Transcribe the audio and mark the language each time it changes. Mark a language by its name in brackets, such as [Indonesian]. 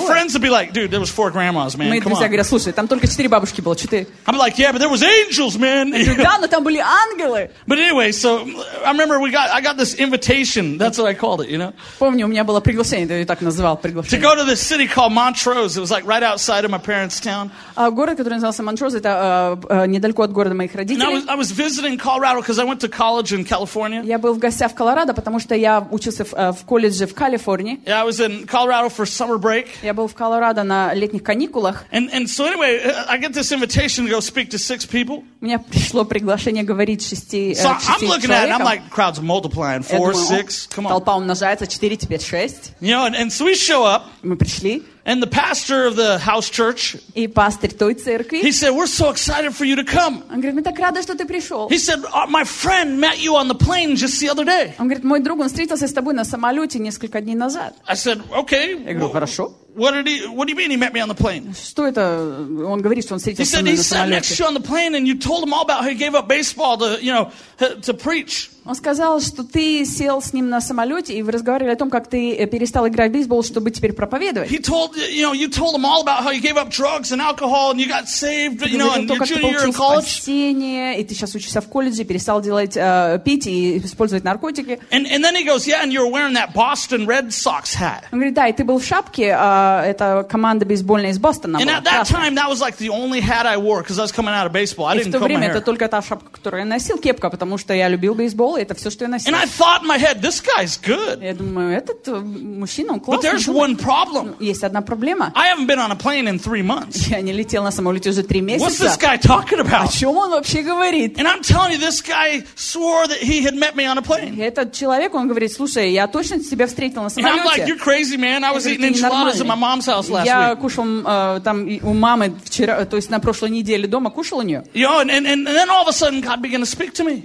[English] And my friends would be like, dude, there was four grandmas, man, come on. [Russian] Мои друзья говорят, слушай, там только четыре бабушки было, четыре. [English] I'm like, yeah, but there was angels, man. [Russian] Да, но там были ангелы. [English] But anyway, so I remember I got this invitation, that's what I called it, you know. [Russian] Помню, у меня было приглашение, я так называл приглашение. [English] To go to this city called Montrose, it was like right outside of my parents' town. [Russian] Город, который назывался Montrose, это недалеко от города моих родителей. [English] I was visiting Colorado because I went to college in California. [Russian] Я был в гостях в Колорадо, потому что я учился в колледже в Калифорнии. [English] Yeah, I was in Colorado for summer break. [Russian] Я был в Колорадо на летних каникулах. [English] And so anyway, I get this invitation to go speak to six people. [Russian] Мне пришло приглашение говорить шести человекам. [English] So I'm looking at it, I'm like, crowds multiplying. Four, six, come on. [Russian] Толпа умножается, четыре, теперь шесть. [English] You know, and so we show up. [Russian] Мы пришли. [English] And the pastor of the house church. [Russian] И пастырь той церкви. [English] He said, "We're so excited for you to come." [Russian] Он говорит, мы так рады, что ты пришел. [English] He said, "My friend met you on the plane just the other day." [Russian] Он говорит, мой друг, он встретился с тобой на самолете несколько дней назад. [English] I said, "Okay." [Russian] Я говорю, хорошо. [English] What do you mean he met me on the plane? [Russian] Что это? Он говорит, что он встретился со мной на самолете. [English] He said, "He sat next to you on the plane, and you told him all about how he gave up baseball to, you know, to preach." [Russian] Он сказал, что ты сел с ним на самолете, и вы разговаривали о том, как ты перестал играть в бейсбол, чтобы теперь проповедовать. [English] He told, you know, you told him all about how you gave up drugs and alcohol, and you got saved, you know, and your junior year in college. [Russian] Ты получил спасение, и ты сейчас учишься в колледже, перестал делать пить и использовать наркотики. [English] And then he goes, yeah, and you're wearing that Boston Red Sox hat. [Russian] Он говорит, да, и ты был в шапке, это команда бейсбольная из Бостона. [English] And at that time, that was like the only hat I wore because I was coming out of baseball. I didn't comb my hair. [Russian] В то время это только та шапка, которую я носил, кепка, потому что я любил бейсбол. Это все, что я носил. [English] And I thought in my head, this guy's good. [Russian] Я думаю, этот мужчина, он классный. [English] But there's one problem. [Russian] Есть одна проблема. [English] I haven't been on a plane in three months. [Russian] Я не летел на самолете уже три месяца. [English] What's this guy talking about? [Russian] О чем он вообще говорит? [English] And I'm telling you, this guy swore that he had met me on a plane. [Russian] Этот человек, он говорит, слушай, я точно тебя встретил на самолете. [English] And I'm like, you're crazy, man. I was eating enchiladas at my mom's house last week. [Russian] Я кушал там у мамы вчера, то есть на прошлой неделе дома кушал у нее. [English] Yo, and then all of a sudden God began to speak to me.